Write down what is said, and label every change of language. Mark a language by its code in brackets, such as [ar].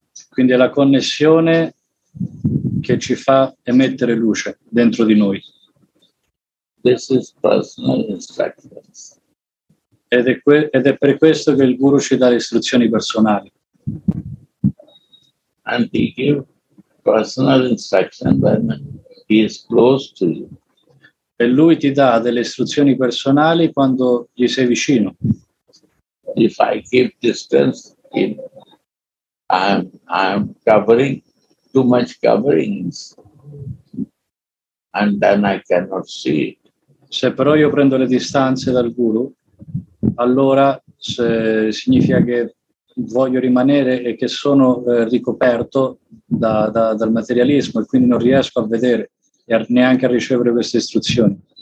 [it] Quindi è la connessione che ci fa emettere luce dentro di noi. [en] This is personal instructions. [it] Ed è per questo che il guru ci dà le istruzioni personali. [en] And he gives personal instructions when he is close to you. [it] E lui ti dà delle istruzioni personali quando gli sei vicino. [en] If I keep distance, I'm covering too much coverings, and then I cannot see. [it] Se però io prendo le distanze dal guru, allora significa che voglio rimanere e che sono ricoperto dal materialismo e quindi non riesco a vedere e neanche a ricevere queste istruzioni.